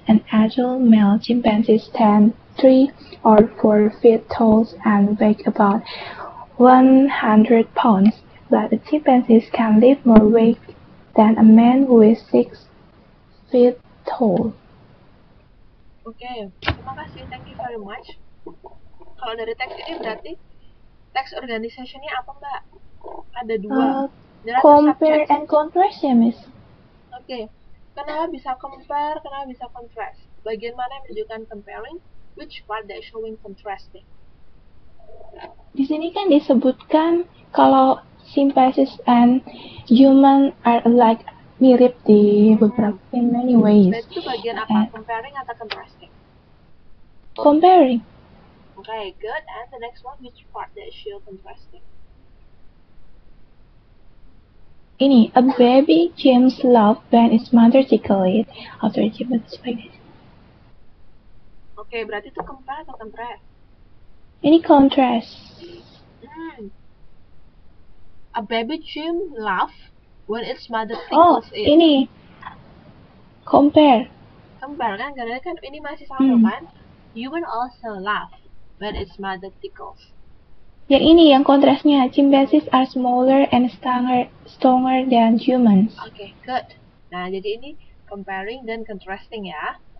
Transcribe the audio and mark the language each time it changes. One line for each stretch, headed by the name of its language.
English: An adult male chimpanzee stands 3 or 4 feet tall and weighs about 100 pounds, but a chimpanzee can lift more weight than a man who is 6 feet tall. Okay,
Indonesian: terima kasih,
English: thank you very much.
Indonesian: Kalau dari teks ini berarti teks organization-nya apa, Mbak? Ada dua.
English: Compare and contrast ya, Miss.
Indonesian: Okay, kenapa bisa compare, kenapa bisa contrast? Bagian mana yang menunjukkan comparing?
English: Which part that showing contrasting?
Indonesian: Di sini kan disebutkan kalau
English: chimpanzees and human are alike,
Indonesian: mirip di beberapa
English: in many ways.
Indonesian: Itu bagian apa?
English: And comparing
Indonesian: atau contrasting?
English: Comparing. Okay, good. And the next one, which part that show contrasting?
Indonesian: Ini,
English: a baby chimps love when its mother tickle it after it was pregnant.
Indonesian: Okay, berarti itu compare atau contrast? Ini contrast.
English: A baby chimp laugh when its mother tickles it.
Indonesian: Oh, ini. Compare. Compare kan? Karena kan ini masih sama kan?
English: Human also laugh when its mother tickles.
Indonesian: Ya, ini yang kontrasnya.
English: Chimpanzees are smaller and stronger than humans. Okay, good.
Indonesian: Nah, jadi ini comparing dan contrasting ya.